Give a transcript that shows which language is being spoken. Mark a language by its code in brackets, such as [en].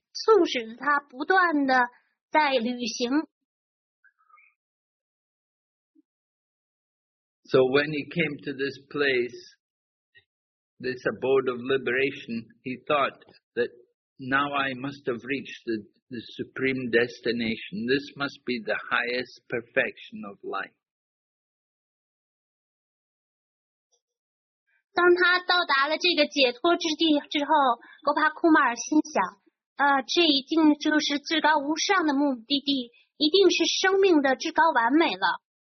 [zh] 他希望能见到至尊主的至为完美的形象的欲望，就促使他不断的在旅行。 [en] So when he came to this place, this abode of liberation, he thought that now I must have reached the supreme destination. This must be the highest perfection of life. [zh] 当他到达了这个解脱之地之后，Gopakumar心想，这一定就是至高无上的目的地，一定是生命的至高完美了。